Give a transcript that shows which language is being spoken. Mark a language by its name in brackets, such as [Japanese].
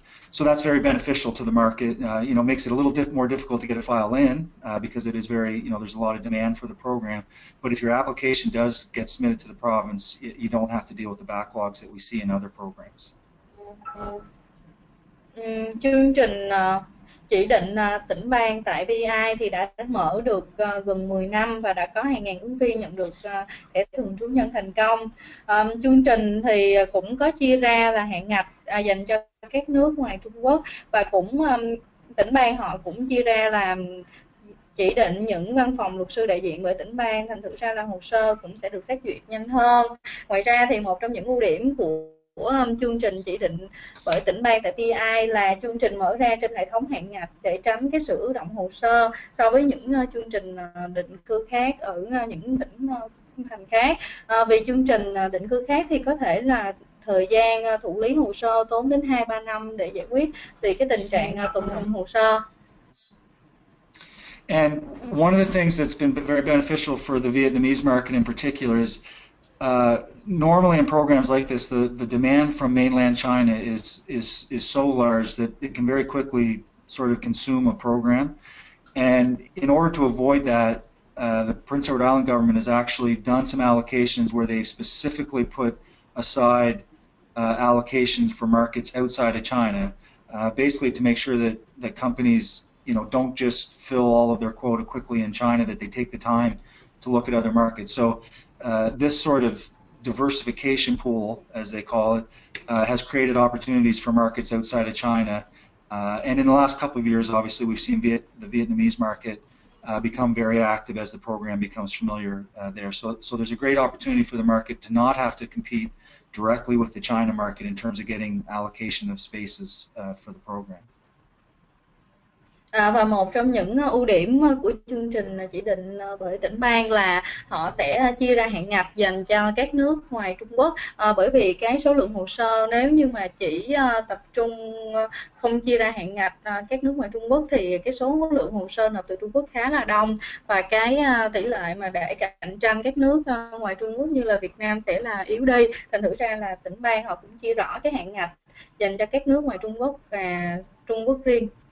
[English] So that's very beneficial to the market. Makes it a little more difficult to get a file in because it is very, there's a lot of demand for the program. But if your application does get submitted to the province, you don't have to deal with the backlogs that we see in other programs. [Vietnamese] Chương trình chỉ định tỉnh bang tại PEI thì đã mở được gần 10 năm và đã có hàng ngàn ứng viên nhận được thẻ thường trú nhân thành công. Chương trình thì cũng có chia ra là hạn ngạch dành cho các nước ngoài Trung Quốc, và cũng tỉnh bang họ cũng chia ra là chỉ định những văn phòng luật sư đại diện bởi tỉnh bang, thành thử ra là hồ sơ cũng sẽ được xét duyệt nhanh hơn. Ngoài ra thì một trong những ưu điểm của chương trình chỉ định bởi tỉnh bang tại PI là chương trình mở ra trên hệ thống hạn ngạch để tránh cái sự ứ động hồ sơ so với những chương trình định cư khác ở những tỉnh thành khác. Vì chương trình định cư khác thì có thể là thời gian thụ lý hồ sơ tốn đến 2-3 năm để giải quyết vì cái tình trạng tồn đọng hồ sơ. [English] And one of the things that's been very beneficial for the Vietnamese market in particular is normally in programs like this, the demand from mainland China is so large that it can very quickly sort of consume a program. And in order to avoid that, the Prince Edward Island government has actually done some allocations where they've specifically put aside allocations for markets outside of China, basically to make sure that, companies, you know, don't just fill all of their quota quickly in China, that they take the time to look at other markets. So this sort of diversification pool, as they call it, has created opportunities for markets outside of China. And in the last couple of years, obviously, we've seen the Vietnamese market become very active as the program becomes familiar there. So there's a great opportunity for the market to not have to compete directly with the China market in terms of getting allocation of spaces for the program. [Vietnamese] À, và một trong những ưu điểm của chương trình chỉ định bởi tỉnh bang là họ sẽ chia ra hạn ngạch dành cho các nước ngoài Trung Quốc, bởi vì cái số lượng hồ sơ nếu như mà chỉ tập trung không chia ra hạn ngạch các nước ngoài Trung Quốc thì cái số lượng hồ sơ nộp từ Trung Quốc khá là đông, và cái tỷ lệ mà để cạnh tranh các nước ngoài Trung Quốc như là Việt Nam sẽ là yếu đi, thành thử ra là tỉnh bang họ cũng chia rõ cái hạn ngạch dành cho các nước ngoài Trung Quốc và Trung Quốc riêng.